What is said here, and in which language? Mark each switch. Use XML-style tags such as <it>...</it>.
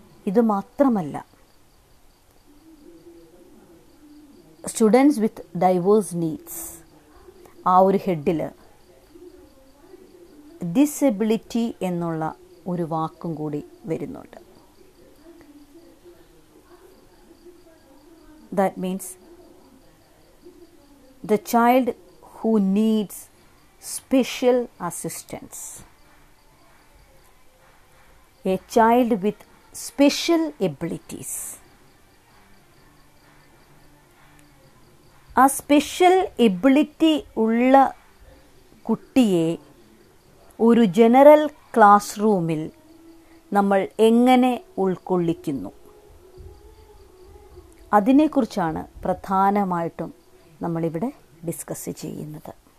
<ml>ഇത് മാത്രമല്ല,</ml> <en>students with diverse needs</en> <ml>ആ ഒരു ഹെഡിൽ ഡിസബിലിറ്റി എന്നുള്ള ഒരു വാക്കും കൂടി വരുന്നുണ്ട്.</ml> <en>That means the child who needs special assistance, a child with special abilities. A special ability</en> <ml>ulla kuttiye oru general classroomil nammal engane ulkollikkunnu, അതിനെക്കുറിച്ചാണ് പ്രധാനമായിട്ടും നമ്മളിവിടെ ഡിസ്കസ് ചെയ്യുന്നത്.</ml>